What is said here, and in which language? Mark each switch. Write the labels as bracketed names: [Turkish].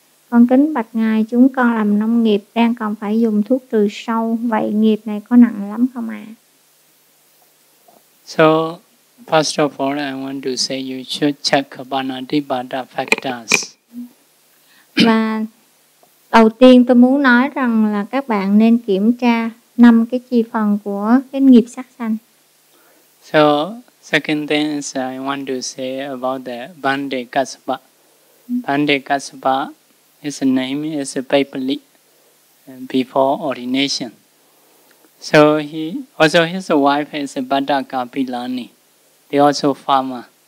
[Vietnamese] Con kính bạch ngài, chúng con làm nông nghiệp đang còn phải dùng thuốc trừ sâu, vậy nghiệp này có nặng lắm không ạ? [English] So first of all, I want to say you should check Panatipata factors. [Vietnamese] Và đầu tiên tôi muốn nói rằng là các bạn nên kiểm tra năm cái chi phần của cái nghiệp sát sanh. [English] So second thing is I want to say about the Bande Kaspa. Bande Kaspa is a name is a papally before ordination. So he also his wife is a Badaka Pilani. They also farmer.